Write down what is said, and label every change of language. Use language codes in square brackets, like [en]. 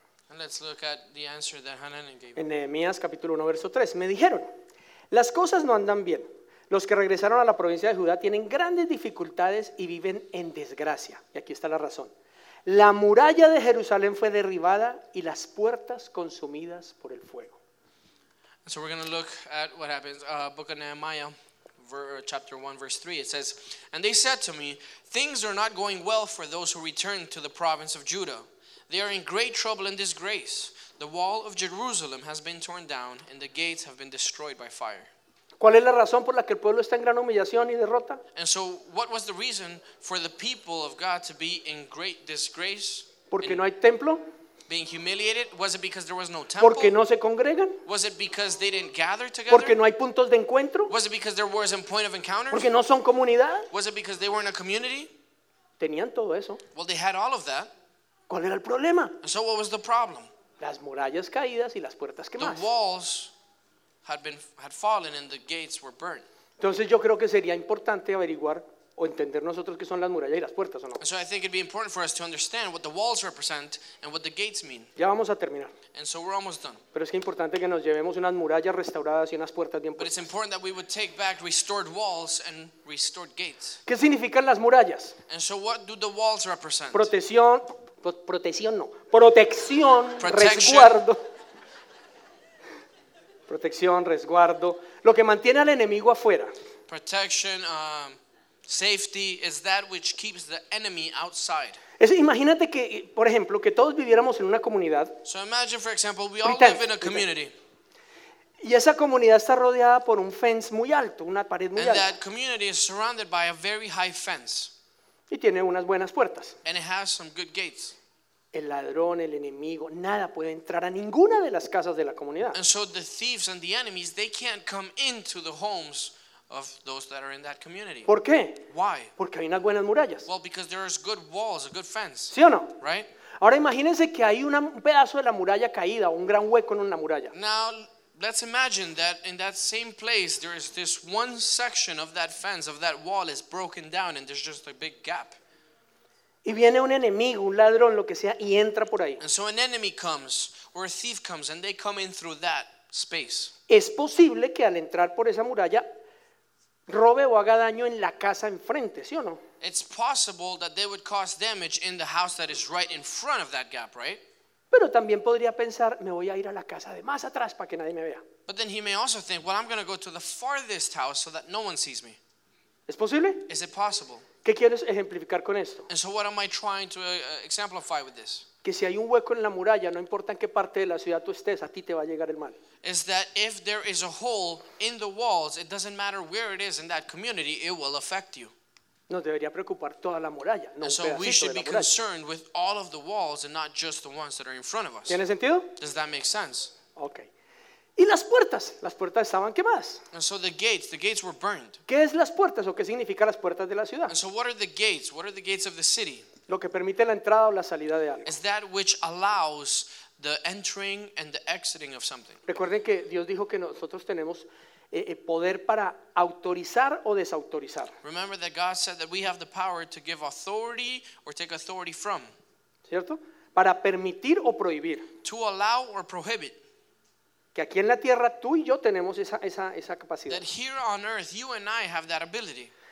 [en] And let's look at the answer that Hanani gave. [es] En Nehemías capítulo 1 verso 3, me dijeron. Las cosas no andan bien. Los que regresaron a la provincia de Judá tienen grandes dificultades y viven en desgracia. Y aquí está la razón. La muralla de Jerusalén fue derribada y las puertas consumidas por el fuego. [en] So we're going to look at what happens. Book of Nehemiah, chapter 1, verse 3. It says, and they said to me, things are not going well for those who return to the province of Judah. They are in great trouble and disgrace. The wall of Jerusalem has been torn down and the gates have been destroyed by fire. [es] ¿Cuál es la razón por la que el pueblo está en gran humillación y derrota? [en] And so what was the reason for the people of God to be in great disgrace? [es] Porque no hay templo. [en] being humiliated? Was it because there was no temple? [es] Porque no se congregan? [en] Was it because they didn't gather together? [es] Porque no hay puntos de encuentro? [en] Was it because there wasn't point of encounter? [es] Porque no son comunidad? [en] Was it because they weren't a community? [es] Tenían todo eso. [en] Well, they had all of that. [es] ¿Cuál era el problema? [en] And so what was the problem? [es] Las murallas caídas y las puertas quemadas. [en] The walls had fallen and the gates were burnt. [es] Entonces yo creo que sería importante averiguar o entender nosotros qué son las murallas y las puertas, ¿o no? [en] So I think it'd be important for us to understand what the walls represent and what the gates mean. [es] Ya vamos a terminar. [en] And so we're almost done. [es] Pero es que es importante que nos llevemos unas murallas restauradas y unas puertas bien puestas. [en] But it's important that we would take back restored walls and restored gates. [es] ¿Qué significan las murallas? [en] And so what do the walls represent? [es] Protección, resguardo. Protección, resguardo. Lo que mantiene al enemigo afuera. [en] Protection, safety is that which keeps the enemy outside. [es] Es, imagínate que, por ejemplo, que todos viviéramos en una comunidad. [en] So imagine, for example, we all live in a community. [es] Y esa comunidad está rodeada por un fence muy alto, una pared muy alta. [en] And that community is surrounded by a very high fence. [es] Y tiene unas buenas puertas. [en] And it has some good gates. [es] El ladrón, el enemigo, nada puede entrar a ninguna de las casas de la comunidad. [en] And so the thieves and the enemies, they can't come into the homes of those that are in that community. [es] ¿Por qué? [en] Why? [es] Porque hay unas buenas murallas. [en] Well, because there is good walls, a good fence. [es] ¿Sí o no? [en] Right? [es] Ahora imagínense que hay un pedazo de la muralla caída, un gran hueco en una muralla. [en] Now, let's imagine that in that same place, there is this one section of that fence, of that wall is broken down and there's just a big gap. [es] Y viene un enemigo, un ladrón, lo que sea, y entra por ahí. [en] And so an enemy comes, or a thief comes, and they come in through that space. [es] Es posible que al entrar por esa muralla robe o haga daño en la casa enfrente, ¿sí o no? [en] It's possible that they would cause damage in the house that is right in front of that gap, right? [es] Pero también podría pensar, me voy a ir a la casa de más atrás para que nadie me vea. [en] But then he may also think, well, I'm going to go to the farthest house so that no one sees me. [es] ¿Es posible? [en] Is it possible? [es] ¿Qué quieres ejemplificar con esto? [en] And so what am I trying to exemplify with this? [es] Que si hay un hueco en la muralla, no importa en qué parte de la ciudad tú estés, a ti te va a llegar el mal. [en] Is that if there is a hole in the walls, it doesn't matter where it is in that community, it will affect you. [es] Nos debería preocupar toda la muralla, no un pedacito de la muralla. [en] And so we should be concerned with all of the walls and not just the ones that are in front of us. [es] ¿Tiene sentido? [en] Does that make sense? [es] Okay. ¿Y las puertas? Las puertas estaban quemadas. [en] And so the gates were burned. [es] ¿Qué es las puertas o qué significa las puertas de la ciudad? [en] And so what are the gates? What are the gates of the city? [es] Lo que permite la entrada o la salida de algo. [en] Is that which allows the entering and the exiting of something. [es] Recuerden que Dios dijo que nosotros tenemos poder para autorizar o desautorizar. [en] Remember that God said that we have the power to give authority or take authority from. [es] ¿Cierto? Para permitir o prohibir. [en] To allow or prohibit. [es] Que aquí en la tierra tú y yo tenemos esa capacidad. [en] That here on earth you and I have that ability.